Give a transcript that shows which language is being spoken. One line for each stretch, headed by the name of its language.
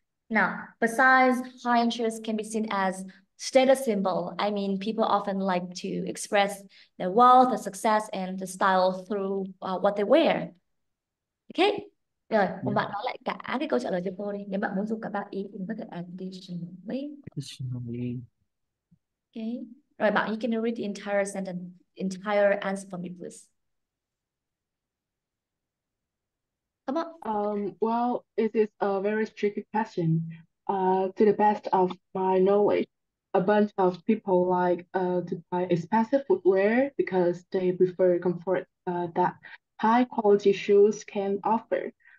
English: Now, besides, high shoes can be seen as status symbol. I mean, people often like to express their wealth, their success, and the style through what they wear. Okay?
Vietnamese: Rồi, một bạn nói lại cả cái câu trả lời cho cô đi. Nếu bạn muốn dùng cả ba ý thì có thể additionally.
English: Additionally. Okay.
Vietnamese: Rồi bạn,
English: you can read the entire sentence. Entire answer for me, please. Come on. Well, it is a very tricky question. To the best of my knowledge, a bunch of people like to buy expensive footwear because they prefer comfort that high quality shoes can offer.